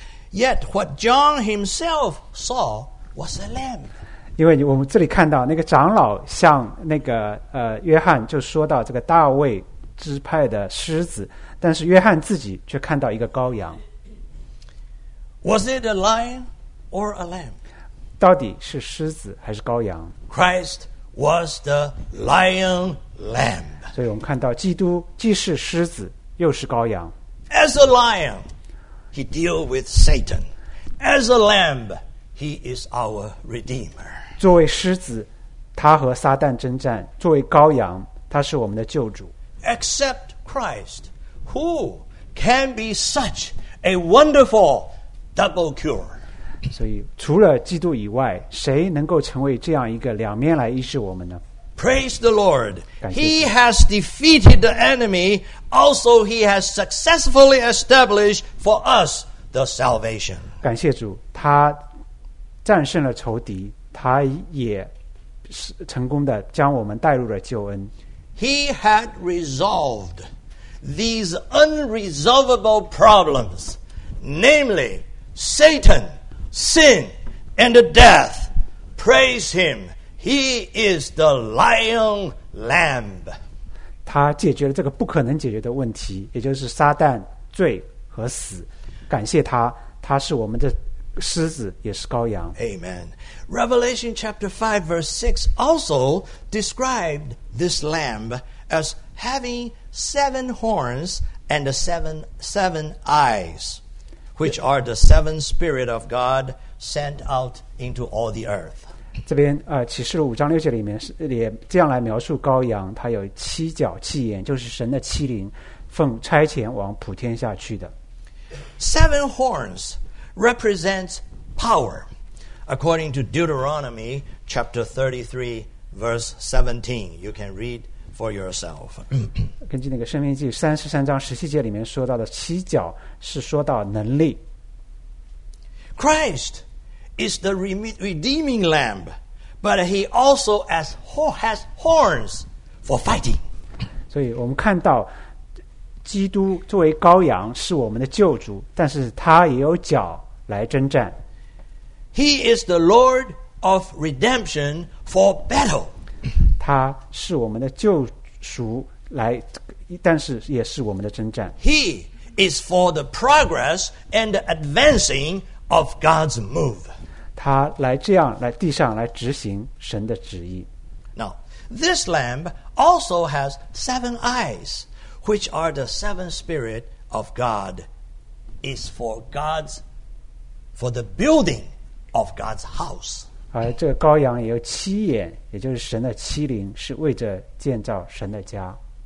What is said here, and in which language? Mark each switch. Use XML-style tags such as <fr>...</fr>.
<en>Yet what John himself saw. Was a lamb.</en> <zh>因为我们这里看到那个长老向那个约翰就说到这个大卫支派的狮子，但是约翰自己却看到一个羔羊。</zh> <en>Was it a lion or a lamb?</en> <zh>到底是狮子还是羔羊？</zh> <en>Christ was the lion lamb.</en> <zh>所以我们看到基督既是狮子又是羔羊。</zh> <en>As a lion, he deal with Satan. As a lamb. He is our Redeemer.</en> <zh>作为狮子，他和撒旦征战；作为羔羊，他是我们的救主。</zh> <en>Except Christ, who can be such a wonderful double cure?</en> <zh>所以，除了基督以外，谁能够成为这样一个两面来医治我们呢？</zh> <en>Praise the Lord. He has defeated the enemy. Also, he has successfully established for us the salvation.</en> <zh>感谢主，他。战胜了仇敌，他也成功地将我们带入了救恩。</zh> <en>He had resolved these unresolvable problems, namely Satan, sin, and death. Praise him. He is the Lion Lamb.</en> <zh>他解决了这个不可能解决的问题，也就是撒旦、罪和死。感谢他，他是我们的。狮子也是羔羊。</zh> <en>Amen. Revelation chapter 5 verse 6 also described this lamb as having seven horns and seven eyes, which are the seven spirit of God sent out into all the earth.</en> <zh>这边启示录五章六节里面也这样来描述羔羊，它有七角七眼，就是神的七灵，奉差遣往普天下去的。</zh> <en>Seven horns. Represents power, according to Deuteronomy chapter 33, verse 17. You can read for yourself.</en> <zh>根据那个《生命记》三十三章十七节里面说到的七角，是说到能力。</zh> <en>Christ is the redeeming lamb, but he also has horns for fighting.</en> <zh>所以我们看到，基督作为羔羊是我们的救主，但是他也有角。来征战。</zh> <en>He is the Lord of redemption for battle.</en> <zh>他是我们的救赎来，但是也是我们的征战。</zh> <en>He is for the progress and advancing of God's move.</en> <zh>他来这样来地上来执行神的旨意。</zh> <en>Now, this lamb also has seven eyes, which are the seven spirit of God. Is for God's, for the building of God's house.</en> <zh>而这个羔羊也有七眼，也就是神的七灵，是为着建造神的家。</zh>